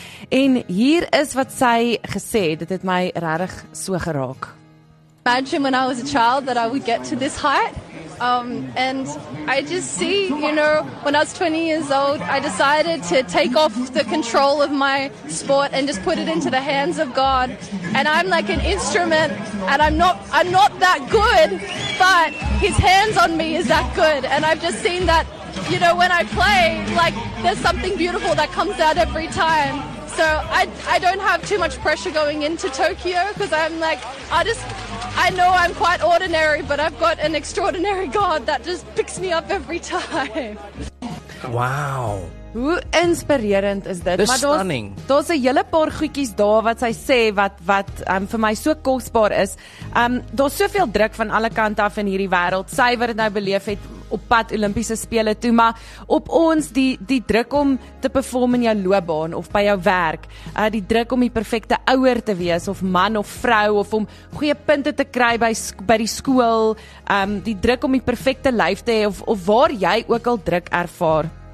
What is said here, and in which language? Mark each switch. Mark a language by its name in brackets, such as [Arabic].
[Afrikaans] En hier is wat sy gesê het, dit het my regtig so geraak. [English] Imagine when I was a child that I would get to this height. And I just see, you know, when I was 20 years old, I decided to take off the control of my sport and just put it into the hands of God. And I'm like an instrument, and I'm not that good, but His hands on me is that good. And I've just seen that, you know, when I play, like, there's something beautiful that comes out every time. So I don't have too much pressure going into Tokyo, because I know I'm quite ordinary, but I've got an extraordinary God that just picks me up every time. Wow. [Afrikaans] Hoe inspirerend is dit? Dis stunning. Daar's 'n hele paar goedjies daar wat sy sê wat vir my so kosbaar is. Daar's soveel druk van alle kante af in hierdie wêreld. Sy wat dit nou beleef het op pad Olimpiese spele toe, maar op ons die druk om te perform in jou loopbaan of by jou werk, die druk om die perfekte ouer te wees of man of vrou of om goeie punte te kry by die skool, die druk om die perfekte lyf te hê of waar jy ook al druk ervaar.